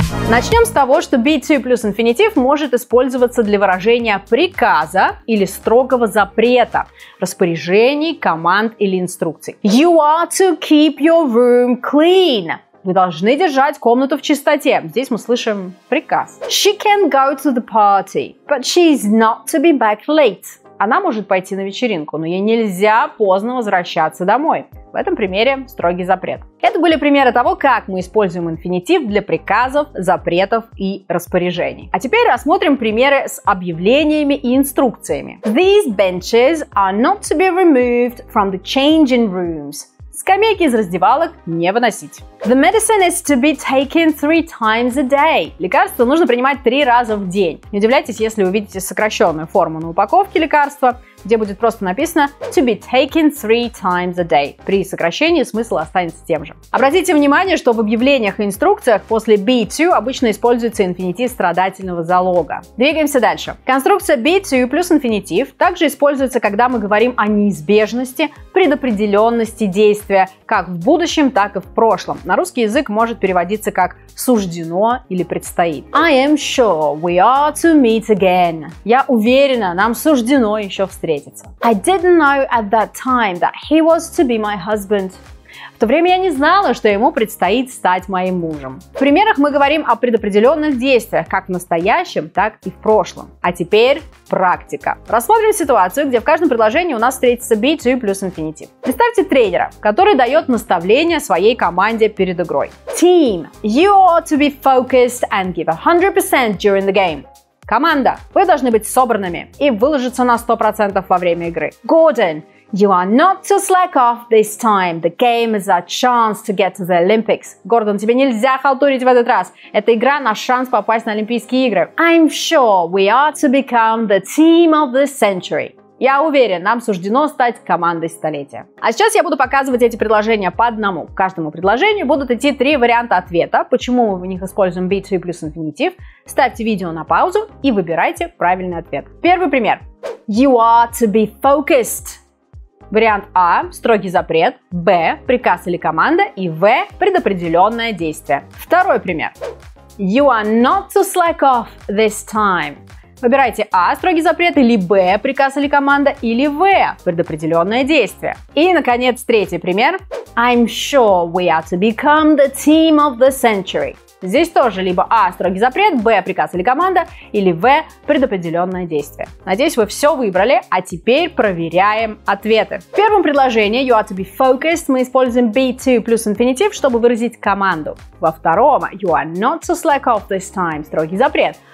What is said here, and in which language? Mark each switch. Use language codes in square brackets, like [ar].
[ru] Начнем с того, что be to plus infinitive может использоваться для выражения приказа или строгого запрета, распоряжений, команд или инструкций. [en] You are to keep your room clean. [ru] Вы должны держать комнату в чистоте. Здесь мы слышим приказ. [en] She can go to the party, but she is not to be back late. [ru] Она может пойти на вечеринку, но ей нельзя поздно возвращаться домой. В этом примере строгий запрет. Это были примеры того, как мы используем инфинитив для приказов, запретов и распоряжений. А теперь рассмотрим примеры с объявлениями и инструкциями. [en] These benches are not to be removed from the changing rooms. [ru] Скамейки из раздевалок не выносить. [en] The medicine is to be taken 3 times a day. [ru] Лекарство нужно принимать 3 раза в день. Не удивляйтесь, если увидите сокращенную форму на упаковке лекарства, где будет просто написано [en] to be taken 3 times a day. [ru] При сокращении смысл останется тем же. Обратите внимание, что в объявлениях и инструкциях после be to обычно используется инфинитив страдательного залога. Двигаемся дальше. Конструкция be to плюс инфинитив также используется, когда мы говорим о неизбежности, предопределенности действия, как в будущем, так и в прошлом. На русский язык может переводиться как суждено или предстоит. [en] I am sure we are to meet again. [ru] Я уверена, нам суждено еще встретиться. [en] I didn't know at that time that he was to be my husband. [ru] В то время я не знала, что ему предстоит стать моим мужем. В примерах мы говорим о предопределенных действиях, как в настоящем, так и в прошлом. А теперь практика. Рассмотрим ситуацию, где в каждом предложении у нас встретится be to plus infinitive. Представьте тренера, который дает наставление своей команде перед игрой. [en] Team, you ought to be focused and give 100% during the game. [ru] Команда, вы должны быть собранными и выложиться на 100% во время игры. [en] Gordon, you are not to slack off this time. The game is a chance to get to the Olympics. [ru] Гордон, тебе нельзя халтурить в этот раз. Эта игра наш шанс попасть на Олимпийские игры. [en] I'm sure we are to become the team of the century. [ru] Я уверен, нам суждено стать командой столетия. А сейчас я буду показывать эти предложения по одному. К каждому предложению будут идти 3 варианта ответа, почему мы в них используем be to plus infinitive. Ставьте видео на паузу и выбирайте правильный ответ. Первый пример. [en] You are to be focused. [ru] Вариант А – строгий запрет, Б – приказ или команда, и В – предопределенное действие. Второй пример. [en] You are not to slack off this time. [ru] Выбирайте А, строгий запрет, или Б, приказ или команда, или В, предопределенное действие. И, наконец, третий пример. [en] I'm sure we are to become the team of the century. [ru] Здесь тоже либо А, строгий запрет, Б, приказ или команда, или В, предопределенное действие. Надеюсь, вы все выбрали, а теперь проверяем ответы. В первом предложении [en] you are to be focused [ru] мы используем be to plus infinitive, чтобы выразить команду. Во втором [en] you are not to slack off this time, [ru] строгий запрет.